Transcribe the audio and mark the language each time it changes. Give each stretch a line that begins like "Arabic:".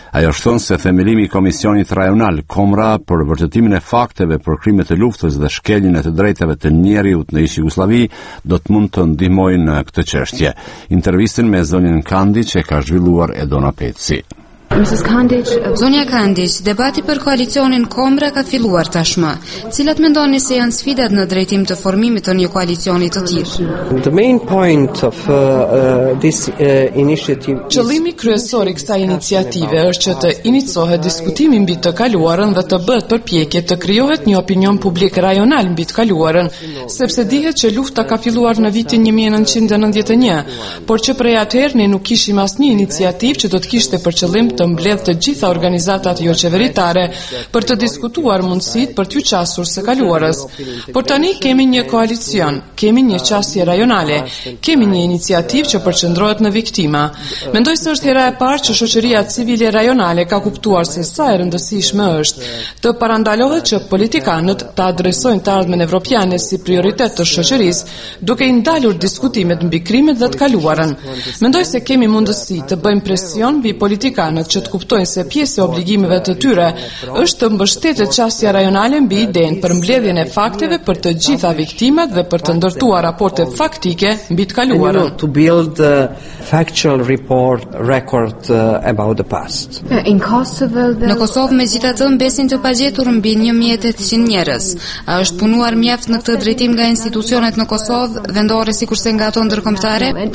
Albanian: Ajo shton se themelimi i Komisionit Rajonal Komra për vërtetimin e fakteve për krimet e luftës dhe shkeljen e të drejtave të njerëzit në ish Jugosllavi do të mund të ndihmojë në këtë çështje. Intervistën me zonjën Kandić e ka zhvilluar Edona Peci. Mrs. Kandić, zonja Kandić, debati për koalicionin Komra ka filluar tashmë. Cilat mendoni se janë sfidat në drejtim të formimit të një koalicioni të tillë?
English: The main point of this initiative.
Albanian: Qëllimi kryesor i kësaj iniciative është që të iniciohet diskutimi mbi të kaluarën dhe të bëhet përpjekje të krijohet një opinion publik rajonal mbi të kaluarën, sepse dihet që lufta ka filluar në vitin 1991, por që prej atëherë ne nuk kishim asnjë iniciativë që do të kishte për qëllim të mbledh të gjitha organizatat jo qeveritare për të diskutuar mundësit për t'ju qasur së kaluarës. Por tani kemi një koalicion, kemi një qasje rajonale, kemi një iniciativë që përqendrohet në viktima. Mendoj se është hera e parë që shoqëria civile rajonale ka kuptuar se sa e rëndësishme është të parandalohet që politikanët të adresojnë të ardhmen evropiane si prioritet të shoqërisë, duke i ndalur diskutimet mbi krimet dhe të kaluarën. Mendoj se kemi mundësi të bëjmë presion mbi politikanët që të kuptojnë se pjesë e obligimeve të tyre është të mbështetet qasja rajonale mbi idenë për mbledhjen e fakteve për të gjitha viktimat dhe për të ndërtuar raporte faktike mbi të kaluarën.
English: To build a factual report record about the past.
Albanian: Në Kosovë me gjitha të mbesin të pagjetur mbi 1800 njerës. A është punuar mjaft në këtë drejtim nga institucionet në Kosovë, vendore si kurse nga ato ndërkombëtare?